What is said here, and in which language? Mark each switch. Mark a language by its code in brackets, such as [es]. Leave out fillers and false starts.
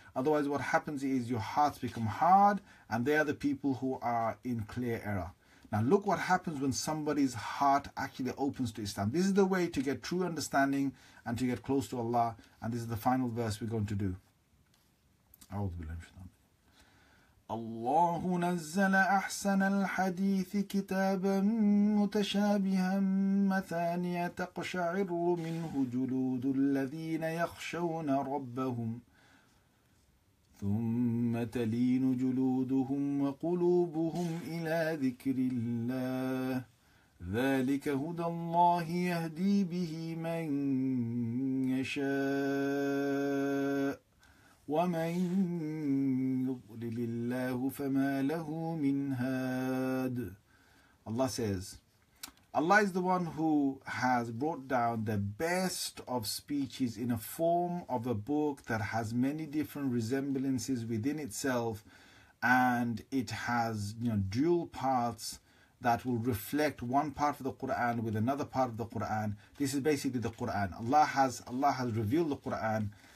[en] Otherwise, what happens is your hearts become hard, and they are the people who are in clear error. Now, look what happens when somebody's heart actually opens to Islam. This is the way to get true understanding and to get close to Allah, and this is the final verse we're going to do. [ar] الله نزل أحسن الحديث كتابا متشابها مثانية تقشعر منه جلود الذين يخشون ربهم ثم تلين جلودهم وقلوبهم إلى ذكر الله ذلك هدى الله يهدي به من يشاء وَمَنْ يُضْلِلِ اللَّهُ فَمَا لَهُ مِنْ هَادٍ. [en] Allah says, Allah is the one who has brought down the best of speeches in a form of a book that has many different resemblances within itself, and it has, you know, dual parts that will reflect one part of the Qur'an with another part of the Qur'an. This is basically the Qur'an. Allah has revealed the Qur'an.